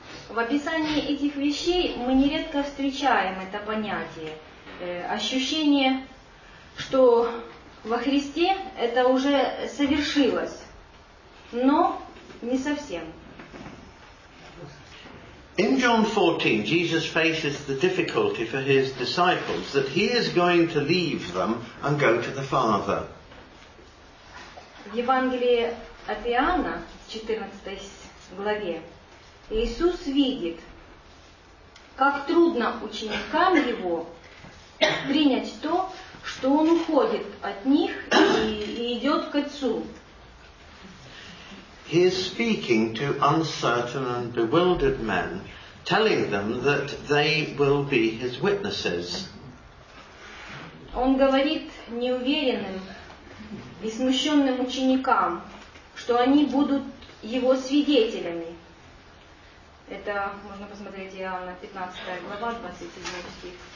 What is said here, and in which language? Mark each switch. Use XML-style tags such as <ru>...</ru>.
<ru>В описании этих вещей мы нередко встречаем это понятие, ощущение, что во Христе это уже совершилось, но не совсем.</ru> <en>In John 14, Jesus faces the difficulty for his disciples that he is going to leave them and go to the Father.</en> <ru>В Евангелии от Иоанна, 14 главе, Иисус видит, как трудно ученикам его принять то, что он уходит от них и идет к Отцу.</ru> <en>He is speaking to uncertain and bewildered men, telling them that they will be his witnesses.</en> <ru>Он говорит неуверенным и смущенным ученикам, что они будут его свидетелями. Это можно посмотреть Иоанна 15 глава, 27 стих.</ru>